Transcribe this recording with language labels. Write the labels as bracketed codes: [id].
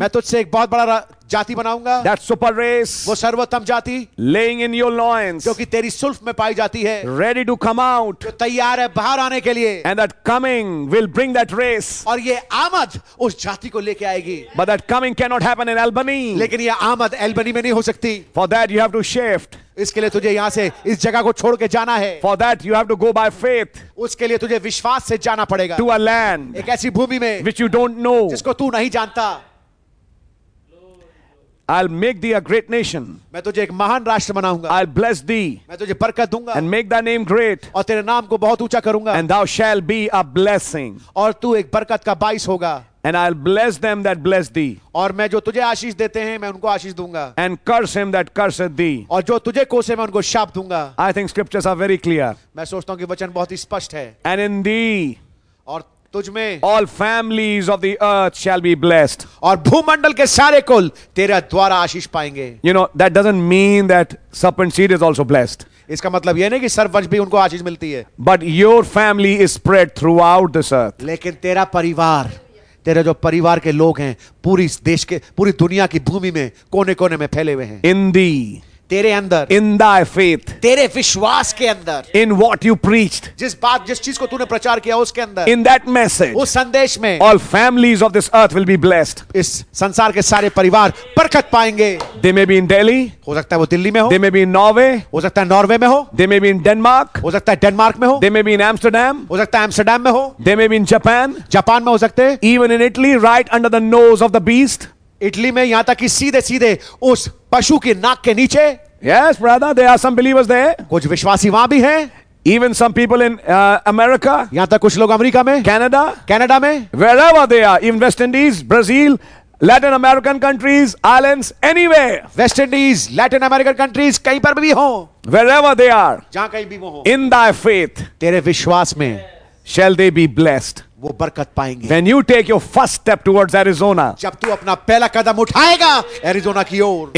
[hi] मैं तुझसे एक बहुत बड़ा जाति बनाऊंगा. [en] That super race. [hi] वो सर्वोत्तम जाति. [en] Laying in your loins. [hi] क्योंकि तेरी सुल्फ में पाई जाती है. [en] Ready to come out. [hi] जो तैयार है बाहर आने के लिए. [en] And that coming will bring that race. [hi] और ये आमद उस जाति को लेके आएगी. [en] But that coming cannot happen in Albany. [hi] लेकिन ये आमद एल्बनी में नहीं हो सकती. [en] For that you have to shift. [hi] इसके लिए तुझे यहाँ से इस जगह को छोड़ के जाना है. [en] For that you have to go by faith. [hi] उसके लिए तुझे विश्वास से जाना पड़ेगा. [en] To a land. [hi] एक ऐसी भूमि में. [en] Which you don't know. [hi] जिसको तू नहीं जानता. [en] I'll make thee a great nation. [hi] मैं तुझे एक महान राष्ट्र बनाऊंगा. [en] I'll bless thee. [hi] मैं तुझे बरकत दूंगा. [en] And make thy name great. [hi] और तेरे नाम को बहुत ऊंचा करूंगा. [en] And thou shall be a blessing. [hi] और तू एक बरकत का बाइस होगा. [en] And I'll bless them that bless thee. [hi] और मैं जो तुझे आशीष देते हैं मैं उनको आशीष दूंगा. [en] And curse him that curseth thee. [hi] और जो तुझे कोसे मैं उनको शाप दूंगा. [en] I think scriptures are very clear. [hi] मैं सोचता हूं कि वचन बहुत ही स्पष्ट है. [en] And in thee. [hi] और तुझ में. [en] All families of the earth shall be blessed. [hi] और भूमंडल के सारे कुल तेरा द्वारा आशीष पाएंगे. [en] You know that doesn't mean that serpent seed is also blessed. [hi] इसका मतलब ये नहीं कि सर्प वंश भी उनको आशीष मिलती है. [en] But your family is spread throughout this earth. [hi] लेकिन तेरा परिवार तेरे जो परिवार के लोग हैं पूरी देश के पूरी दुनिया की भूमि में कोने कोने में फैले हुए हैं [en] in thee [hi] तेरे अंदर [en] in thy faith [hi] तेरे विश्वास के अंदर [en] in what you preached [hi] जिस बात जिस चीज को तूने प्रचार किया उसके अंदर [en] in that message [hi] उस संदेश में [en] all families of this earth will be blessed [hi] इस संसार के सारे परिवार बरकत पाएंगे [en] they may be in Delhi [hi] हो सकता है वो दिल्ली में हो [en] they may be in Norway [hi] हो सकता है नॉर्वे में हो [en] they may be in Denmark [hi] हो सकता है डेनमार्क में हो [en] they may be in Amsterdam [hi] हो सकता है एम्स्टर्डम में हो [en] they may be in Japan [hi] Japan में हो सकते हैं [en] even in Italy right under the nose of the beast [hi] Italy में यहां तक कि सीधे सीधे उस पशु के नाक के नीचे [en] yes, brother, there are some believers there. [hi] कुछ विश्वासी वहां भी हैं [en] Even some people in America, [hi] यहां तक कुछ लोग अमेरिका में [en] Canada, [hi] Canada में [en] wherever they are, even West Indies, Brazil, Latin American countries, islands, anywhere. [hi] West Indies, Latin American countries, कहीं पर भी हो [en] wherever they are, [hi] जहां कहीं भी वो हो [en] In thy faith, [hi] तेरे विश्वास में [en] shall they be blessed. [hi] वो बरकत पाएंगे [en] When you take your first step towards Arizona, [hi] जब तू अपना पहला कदम उठाएगा Arizona की ओर